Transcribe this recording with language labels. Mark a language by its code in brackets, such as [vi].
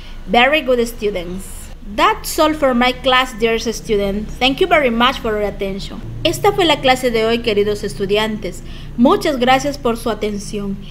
[en] Very good students. That's all for my class, dear students. Thank you very much for your attention. [es] Esta fue la clase de hoy, queridos estudiantes. Muchas gracias por su atención.